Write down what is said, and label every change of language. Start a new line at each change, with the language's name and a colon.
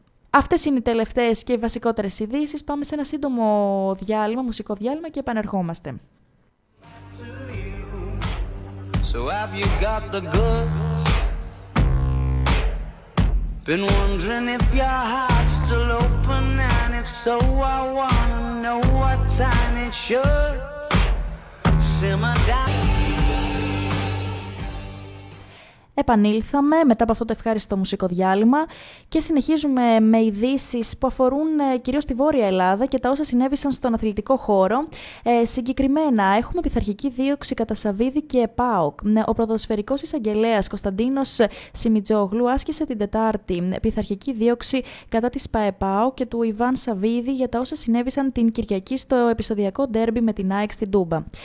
Greek: Αυτές είναι οι τελευταίες και οι βασικότερες ειδήσεις. Πάμε σε ένα σύντομο διάλειμμα, μουσικό διάλειμμα, και επανερχόμαστε.
English: So have you got the goods? Been wondering if your heart's still open, and if so, I wanna know what time it should simmer down.
Greek: Επανήλθαμε μετά από αυτό το ευχάριστο μουσικό διάλειμμα και συνεχίζουμε με ειδήσεις που αφορούν κυρίως τη Βόρεια Ελλάδα και τα όσα συνέβησαν στον αθλητικό χώρο. Συγκεκριμένα, έχουμε πειθαρχική δίωξη κατά Σαββίδη και ΠΑΟΚ. Ο ποδοσφαιρικός εισαγγελέας Κωνσταντίνος Σιμιτζόγλου άσκησε την Τετάρτη πειθαρχική δίωξη κατά της ΠΑΕ ΠΑΟΚ και του Ιβάν Σαββίδη για τα όσα συνέβησαν την Κυριακή στο επεισοδιακό ντέρμπι με την ΑΕΚ στην Τούμπα.